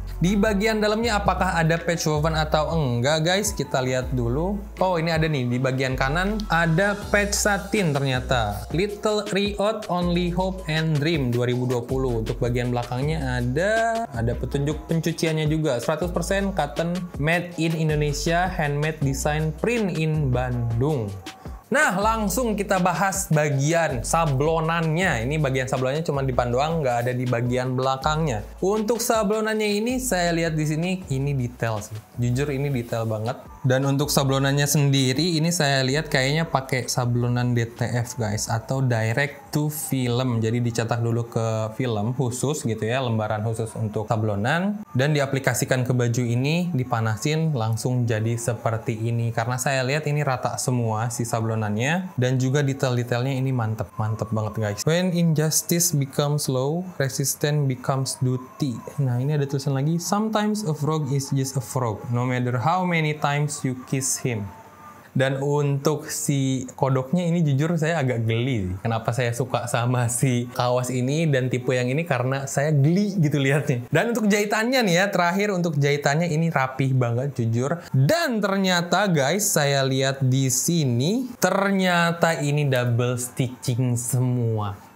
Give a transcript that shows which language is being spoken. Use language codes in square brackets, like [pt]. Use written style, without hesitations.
[id] Di bagian dalamnya apakah ada patch woven atau enggak guys, kita lihat dulu. Oh, ini ada nih, di bagian kanan ada patch satin ternyata. [en] Little Riot Only Hope and Dream 2020. [id] Untuk bagian belakangnya ada petunjuk pencuciannya juga. [en] 100% cotton made in Indonesia, handmade design print in Bandung. [id] Nah, langsung kita bahas bagian sablonannya. Ini bagian sablonannya cuma di depan doang, nggak ada di bagian belakangnya. Untuk sablonannya ini, saya lihat di sini, ini detail sih. Jujur, ini detail banget. Dan untuk sablonannya sendiri, ini saya lihat kayaknya pakai sablonan DTF, guys. Atau direct to film. Jadi dicetak dulu ke film khusus gitu ya, lembaran khusus untuk sablonan. Dan diaplikasikan ke baju ini, dipanasin, langsung jadi seperti ini. Karena saya lihat ini rata semua si sablonannya. Dan juga detail-detailnya ini mantep, mantep banget, guys. [en] When injustice becomes law, resistance becomes duty. [id] Nah, ini ada tulisan lagi. [en] Sometimes a frog is just a frog, no matter how many times you kiss him. [id] Dan untuk si kodoknya ini jujur saya agak geli. Kenapa saya suka sama si kawas ini dan tipe yang ini, karena saya geli gitu lihatnya. Dan untuk jahitannya nih ya, terakhir untuk jahitannya ini rapih banget jujur. Dan ternyata guys, saya lihat di sini ternyata ini double stitching semua.